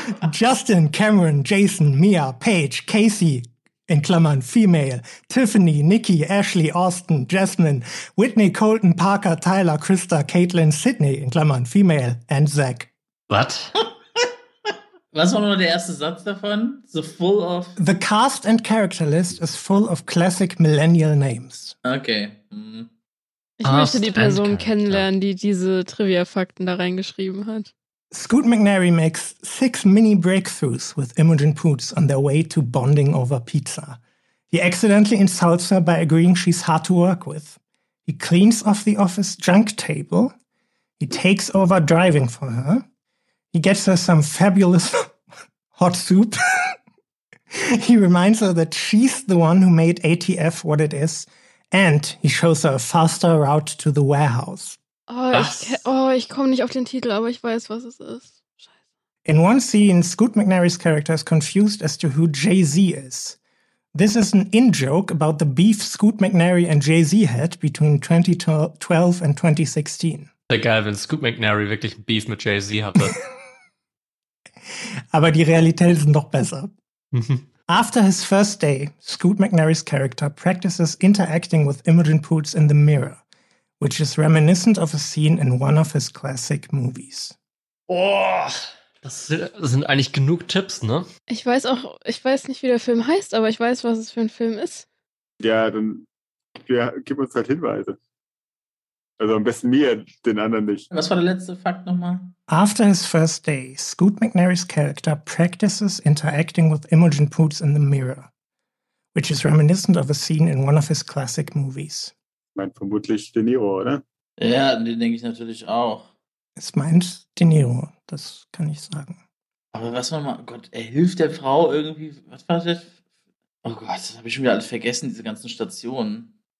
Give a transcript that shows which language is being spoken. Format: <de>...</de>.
<en>Justin, Cameron, Jason, Mia, Paige, Casey,</en> <de>in Klammern,</de> <en>female, Tiffany, Nikki, Ashley, Austin, Jasmine, Whitney, Colton, Parker, Tyler, Krista, Caitlin, Sydney, in Klammern, female, and Zach. What?</en> <de>Was war nur der erste Satz davon?</de> <en>So full of... The cast and character list is full of classic millennial names. Okay. Mhm.</en> <de>Ich möchte die Person kennenlernen, die diese Trivia-Fakten da reingeschrieben hat.</de> <en>Scoot McNairy makes 6 mini breakthroughs with Imogen Poots on their way to bonding over pizza. He accidentally insults her by agreeing she's hard to work with. He cleans off the office junk table. He takes over driving for her. He gets her some fabulous hot soup. He reminds her that she's the one who made ATF what it is. And he shows her a faster route to the warehouse.</en> <de>Ich komme nicht auf den Titel, aber ich weiß, was es ist. Scheiße.</de> <en>In one scene, Scoot McNairy's character is confused as to who Jay-Z is. This is an in-joke about the beef Scoot McNairy and Jay-Z had between 2012 and 2016.</en> <de>Geil, wenn Scoot McNairy wirklich ein Beef mit Jay-Z hatte. Aber die Realität ist noch besser.</de> <en>After his first day, Scoot McNairy's character practices interacting with Imogen Poots in the mirror, which is reminiscent of a scene in one of his classic movies.</en> <de>Oh, das sind eigentlich genug Tipps, ne? Ich weiß nicht, wie der Film heißt, aber ich weiß, was es für ein Film ist. Ja, dann gib uns halt Hinweise. Also am besten mir, den anderen nicht. Was war der letzte Fakt nochmal?</de> <en>After his first day, Scoot McNairy's character practices interacting with Imogen Poots in the mirror, which is reminiscent of a scene in one of his classic movies.</en> <de>Ich meine vermutlich De Niro, oder? Ja, den denke ich natürlich auch. Es meint De Niro, das kann ich sagen. Aber was war mal, Gott, er hilft der Frau irgendwie, was war das? Oh Gott, das habe ich schon wieder alles vergessen, diese ganzen Stationen.</de>